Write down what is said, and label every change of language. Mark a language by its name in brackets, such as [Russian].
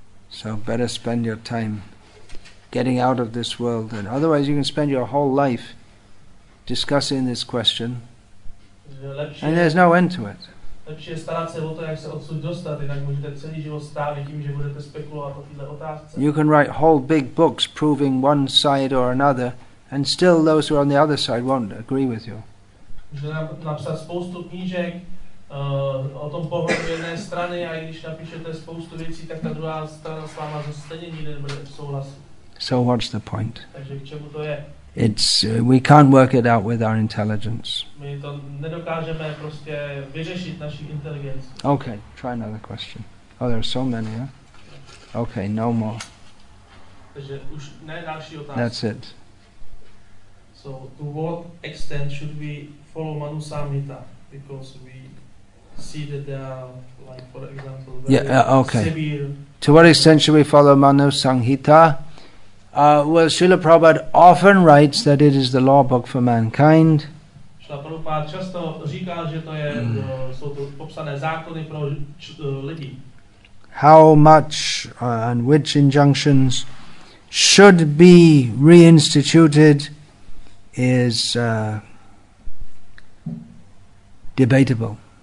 [English] So better spend your time getting out of this world, and otherwise you can spend your whole life discussing this question, and there's no end to it. [Czech] Lepší je starat se o to, jak se odsud dostat, jinak můžete celý život strávit tím, že budete spekulovat o této otázce. [English] You can write whole big books proving one side or another, and still those who are on the other side won't agree with you. [Czech] Můžete napsat spoustu knížek o tom pohledu jedné strany, a i když napíšete spoustu věcí, tak ta druhá strana s váma stejně nikdy nebude souhlasit. [English] So what's the point? [Czech] Takže k čemu to je? [English] We can't work it out with our intelligence. [Czech] My to nedokážeme prostě vyřešit naší inteligenci. [English] Okay, try another question. Oh, there are so many, huh? Okay, no more. [Czech] Takže už ne další otázky. [English] That's it. So, to what extent should we follow Manu Samhita? Because we see that there are, like, for example, very okay. Severe. To what extent should we follow Manu Samhita? Well, Srila Prabhupada often writes that it is the law book for mankind. [Czech] Srila Prabhupada často říká, že to je, jsou to popsané zákony pro lidi. [English] How much and which injunctions should be reinstituted is debatable.